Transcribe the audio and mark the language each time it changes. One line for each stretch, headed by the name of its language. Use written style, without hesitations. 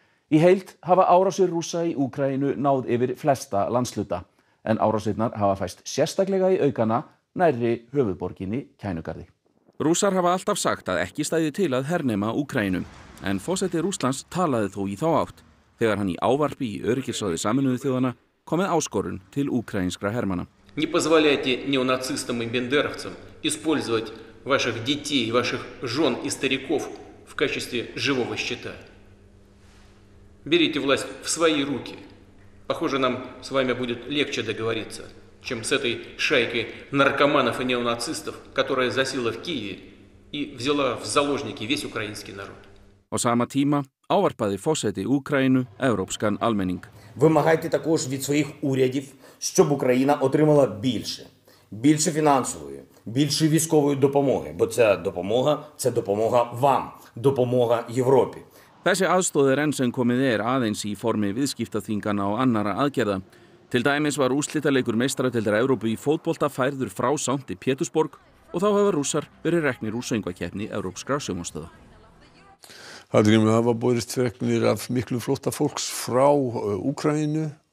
Icelandic: Í heild hafa árásir Rússa í Úkraínu náð yfir flesta landshluta, en árásirnar hafa fæst sérstaklega í aukana nærri höfuðborginni Kænugarði. Rússar hafa alltaf sagt að ekki stæði til að hernema Úkraínu, en forseti Rússlands talaði þó í þá átt, þegar hann í ávarpi í öryggisráði Sameinuðu þjóðanna komið áskorun til úkraínskra hermana.
Russian: Не позволяйте неонацистам и бендеровцам использовать ваших детей, ваших жен и стариков в качестве живого щита. Берите власть в свои руки. Похоже, нам с вами будет легче договориться, чем с этой шайкой наркоманов и неонацистов, которая засела в Киеве и взяла в заложники весь украинский народ.
Icelandic: Á sama tíma ávarpaði forseti Úkraínu evrópskan almenning.
Ukrainian: Вимагайте також від своїх урядів, щоб Україна отримала більше. Більше фінансової, більше військової допомоги, бо ця допомога – це допомога вам, допомога Європі.
Icelandic: Þessi aðstoð enn sem komið aðeins í formi viðskiptaþingana og annarra aðgerða. Til dæmis var úrslitaleikur meistaradeildar Evrópu í fótbolta færður frá Sankti Pétursborg og þá hafa Rússar verið reknir úr söngvakeppni evrópskra sjónvarpsstöðva. Hallgrímur, hafa borist fregnir af miklu flótta fólks frá Úkraínu.